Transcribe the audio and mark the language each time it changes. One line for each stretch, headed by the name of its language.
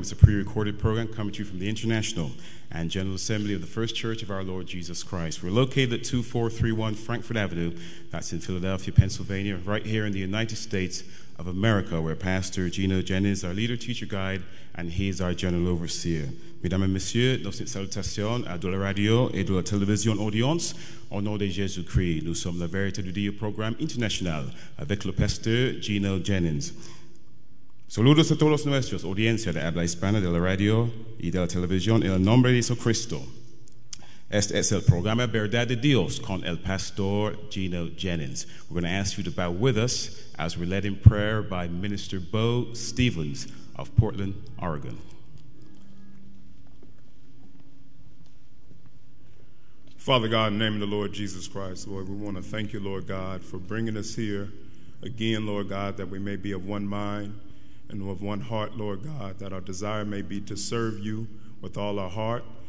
English: It's a pre-recorded program coming to you from the International and General Assembly of the First Church of our Lord Jesus Christ. We're located at 2431 Frankfort Avenue. That's in Philadelphia, Pennsylvania, right here in the United States of America, where Pastor Gino Jennings is our leader, teacher, guide, and he is our general overseer.
French: Mesdames et messieurs, nos salutations à la radio et de la télévision audience. Au nom de Jésus-Christ, nous sommes la vérité du Dieu programme international avec le Pasteur Gino Jennings.
Spanish: Saludos a todos nuestros audiencia de habla hispana de la radio y de la televisión en el nombre de Jesucristo. Este es el programa Verdad de Dios con el Pastor Gino Jennings.
English: We're going to ask you to bow with us as we're led in prayer by Minister Bo Stevens of Portland, Oregon. Father God, in the name of the Lord Jesus Christ, Lord, we want to thank you, Lord God, for bringing us here again, Lord God, that we may be of one mind and of one heart, Lord God, that our desire may be to serve you with all our heart.